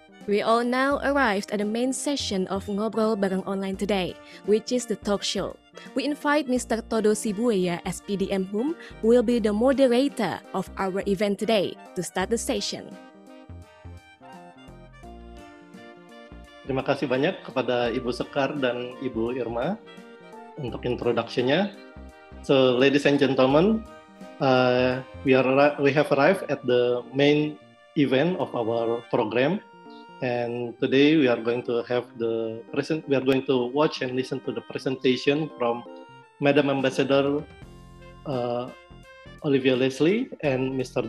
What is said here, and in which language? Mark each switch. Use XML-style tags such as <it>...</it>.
<en>We all now arrived at the main session of Ngobrol Bareng Online today, which is the talk show. We invite Mr. Todo Sibueya, SPDM HUM, who will be the moderator of our event today, to start the session.</en> <id>Terima kasih banyak kepada Ibu Sekar dan Ibu Irma untuk introduction-nya.</id> <en>So, ladies and gentlemen, we have arrived at the main event of our program. And today we are going to have the present. We are going to watch and listen to the presentation from Madam Ambassador Olivia Leslie and Mr.</en>